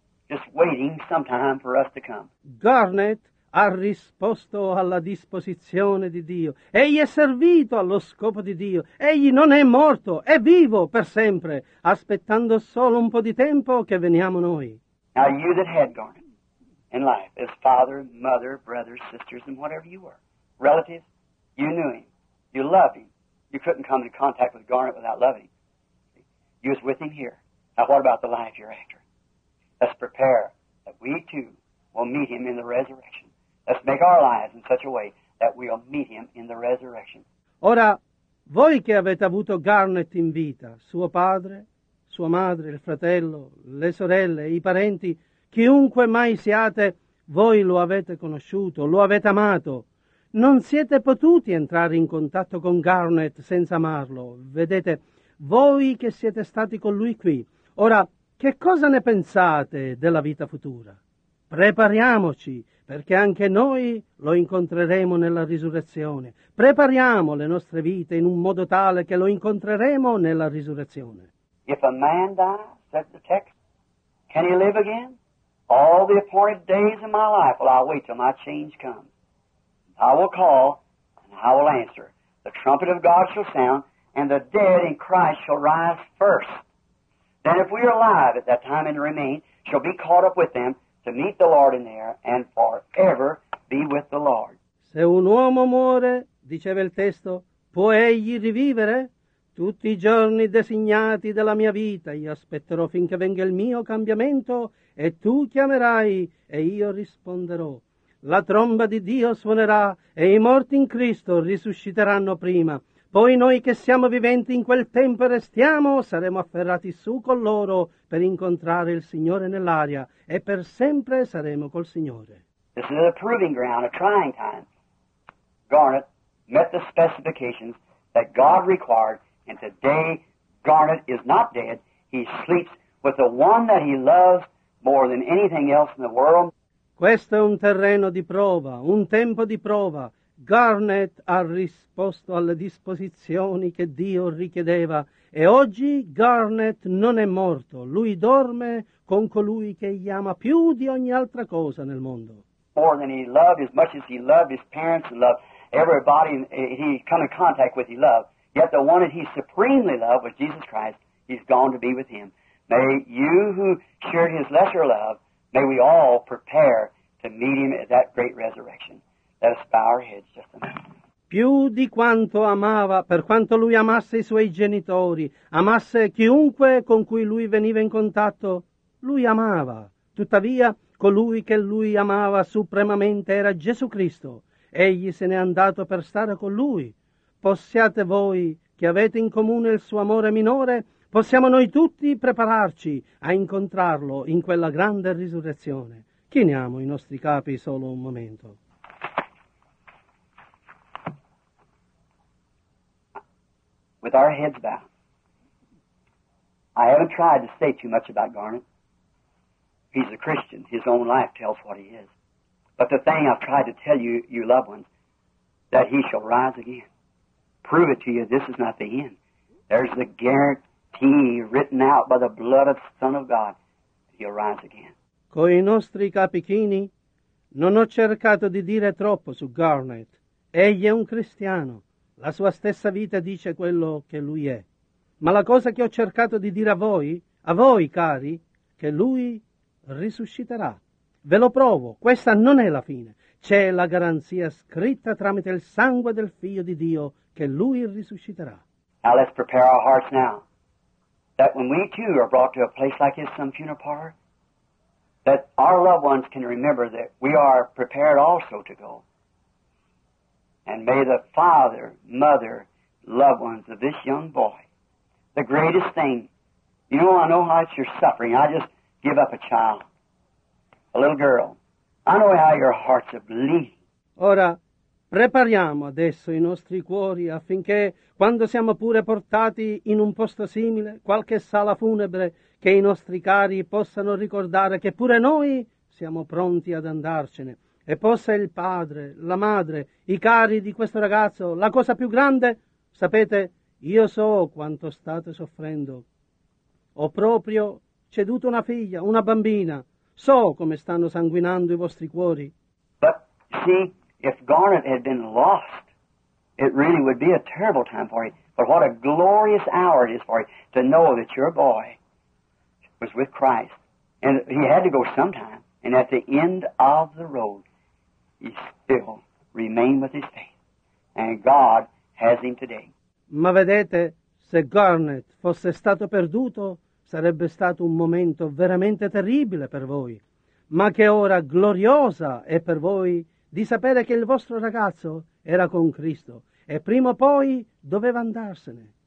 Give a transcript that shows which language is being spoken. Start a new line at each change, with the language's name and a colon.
English: Just waiting sometime for us to come.
Italian: Garnet ha risposto alla disposizione di Dio. Egli è servito allo scopo di Dio. Egli non è morto, è vivo per sempre, aspettando solo un po' di tempo che veniamo noi.
English: Now you that had Garnet in life, as father, mother, brothers, sisters, and whatever you were, relatives, you knew him, you loved him. You couldn't come in contact with Garnet without loving him. You was with him here. Now what about the life you're after? Let's prepare that we too will meet him in the resurrection. Let's make our lives in such a way that we'll meet him in the resurrection.
Italian: Ora, voi che avete avuto Garnet in vita, suo padre, sua madre, il fratello, le sorelle, i parenti, chiunque mai siate, voi lo avete conosciuto, lo avete amato. Non siete potuti entrare in contatto con Garnet senza amarlo. Vedete, voi che siete stati con lui qui. Ora, che cosa ne pensate della vita futura? Prepariamoci, perché anche noi lo incontreremo nella risurrezione. Prepariamo le nostre vite in un modo tale che lo incontreremo nella risurrezione.
English: If a man dies, says the text, can he live again? All the appointed days of my life will I wait till my change comes. I will call, and I will answer. The trumpet of God shall sound, and the dead in Christ shall rise first. Then if we are alive at that time and remain, shall be caught up with them, to meet the Lord in there and forever be with the Lord.
Italian: Se un uomo muore, diceva il testo, può egli rivivere? Tutti i giorni designati della mia vita io aspetterò finché venga il mio cambiamento e tu chiamerai e io risponderò. La tromba di Dio suonerà e i morti in Cristo risusciteranno prima. Poi noi che siamo viventi in quel tempo e restiamo, saremo afferrati su con loro per incontrare il Signore nell'aria e per sempre saremo col Signore.
English: This is a proving ground, a trying time. Garnet met the specifications that God required, and today Garnet is not dead. He sleeps with the one that he loves more than anything else in the world.
Italian: Questo è un terreno di prova, un tempo di prova. Garnet ha risposto alle disposizioni che Dio richiedeva e oggi Garnet non è morto. Lui dorme con colui che gli ama più di ogni altra cosa nel mondo.
English: More than he loved, as much as he loved his parents and loved everybody he come in contact with, he loved. Yet the one that he supremely loved was Jesus Christ. He's gone to be with him. May you who shared his lesser love, may we all prepare to meet him at that great resurrection. Let us bow our heads just a minute.
Italian: Più di quanto amava, per quanto lui amasse i suoi genitori, amasse chiunque con cui lui veniva in contatto, lui amava. Tuttavia, colui che lui amava supremamente era Gesù Cristo. Egli se n'è andato per stare con lui. Possiate voi, che avete in comune il suo amore minore, possiamo noi tutti prepararci a incontrarlo in quella grande risurrezione. Chiniamo i nostri capi solo un momento.
English: With our heads bowed, I haven't tried to say too much about Garnet. He's a Christian. His own life tells what he is. But the thing I've tried to tell you, you loved ones, that he shall rise again. Prove it to you, this is not the end. There's the guarantee written out by the blood of the Son of God. He'll rise again.
Italian: Coi nostri capichini, non ho cercato di dire troppo su Garnet. Egli è un cristiano. La sua stessa vita dice quello che lui è. Ma la cosa che ho cercato di dire a voi cari, che lui risusciterà. Ve lo provo, questa non è la fine. C'è la garanzia scritta tramite il sangue del Figlio di Dio che lui risusciterà.
English: Now let's prepare our hearts now, that when we too are brought to a place like this, some funeral parlor, that our loved ones can remember that we are prepared also to go. And may the father, mother, loved ones of this young boy, the greatest thing, you know, I know how it's your suffering. I just give up a child, a little girl. I know how your hearts are bleeding.
Italian: Ora, prepariamo adesso i nostri cuori affinché, quando siamo pure portati in un posto simile, qualche sala funebre, che i nostri cari possano ricordare che pure noi siamo pronti ad andarcene. E possa il padre, la madre, i cari di questo ragazzo, la cosa più grande, sapete, io so quanto state soffrendo. Ho proprio ceduto una figlia, una bambina. So come stanno sanguinando i vostri cuori.
English: But, see, if Garnet had been lost, it really would be a terrible time for you. But what a glorious hour it is for you to know that your boy was with Christ. And he had to go sometime. And at the end of the road, he still remained with his faith. And God has him today.
Italian: Ma vedete, se Garnet fosse stato perduto, sarebbe stato un momento veramente terribile per voi. Ma che ora gloriosa è per voi di sapere che il vostro ragazzo era con Cristo e prima o poi doveva andarsene.